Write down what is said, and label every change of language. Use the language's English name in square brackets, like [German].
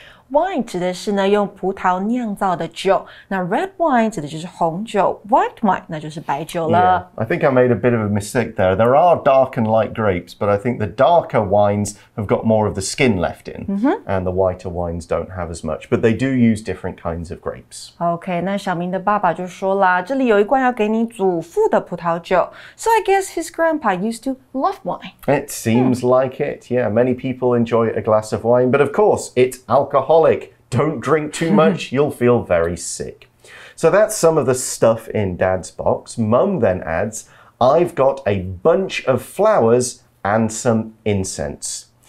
[Chinese] Wine 指的是呢用葡萄酿造的酒，那 red wine 指的就是红酒 ，white wine 那就是白酒了。 [English] Yeah, I think I made a bit of a mistake there. There are dark and light grapes, but I think the darker wines have got more of the skin left in,、 mm-hmm. and the whiter wines don't have as much. But they do use different kinds of grapes. [Chinese] Okay, 那小明的爸爸就说啦，这里有一罐要给你祖父的葡萄酒。 [English] So I guess his grandpa used to love wine. It seems、mm. like it. Yeah, many people enjoy a glass of wine, but of course it's alcohol. Don't drink too much, you'll feel very sick. So that's some of the stuff in Dad's box. Mum then adds, I've got a bunch of flowers and some incense.